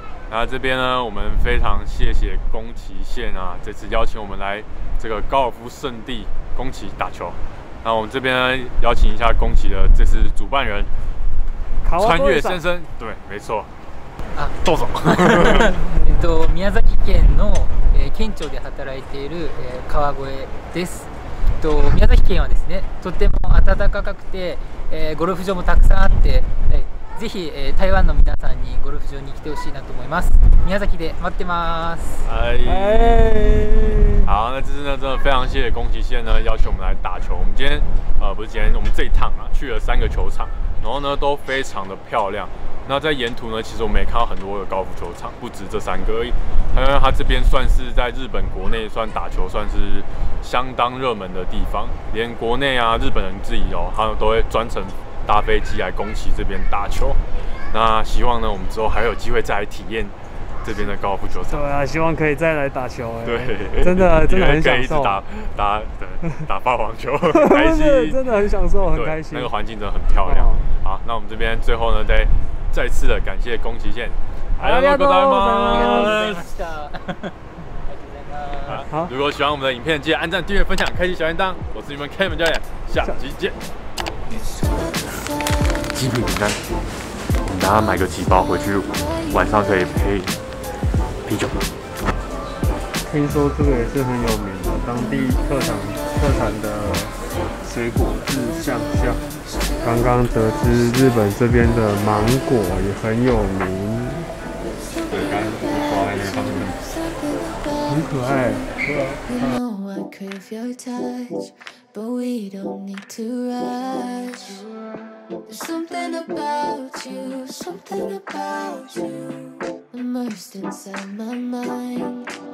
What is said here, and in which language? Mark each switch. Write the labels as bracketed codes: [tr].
[zh] 那这边呢，我们非常谢谢宫崎县啊，这次邀请我们来这个高尔夫圣地宫崎打球。那我们这边邀请一下宫崎的这次主办人川越先生，对，没错。啊， [ja] どうぞ。宮崎県の県庁で働いている川越です。宮崎県はですね、とても暖かくて。ゴルフ場もたくさんあって、ぜひ、台湾の皆さんにゴルフ場に来てほしいなと思います。宮崎で待ってます。はい。 [zh] 好，那这次呢，真的非常谢谢宫崎县呢邀请我们来打球。我们今天，不是今天，我们这一趟啊，去了三个球场，然后呢都非常的漂亮。那在沿途呢，其实我们也看到很多的高尔夫球场，不止这三个而已。因为它这边算是在日本国内算打球算是相当热门的地方，连国内啊日本人自己哦，他们都会专程搭飞机来宫崎这边打球。那希望呢，我们之后还有机会再来体验这边的高尔夫球场。对啊，希望可以再来打球。对，真的很享受，可以一直打霸王球，开心，真的很享受，很开心。那个环境真的很漂亮。好，那我们这边最后呢，再次的感谢宫崎县， [ja] ありがとうございます。ありがとうございました。 [zh] 好，如果喜欢我们的影片，记得按赞、订阅、分享、开启小铃铛。我是你们 Kevin 教练，下期见。鸡皮饼干，我们大家买个几包回去，晚上可以配啤酒。听说这个也是很有名的，当地特产的水果是橡橡。刚刚得知日本这边的芒果也很有名。对，刚刚挂在那边放着。很可爱。 [en] You know I crave your touch, but we don't need to rush. There's something about you, something about you, immersed inside my mind.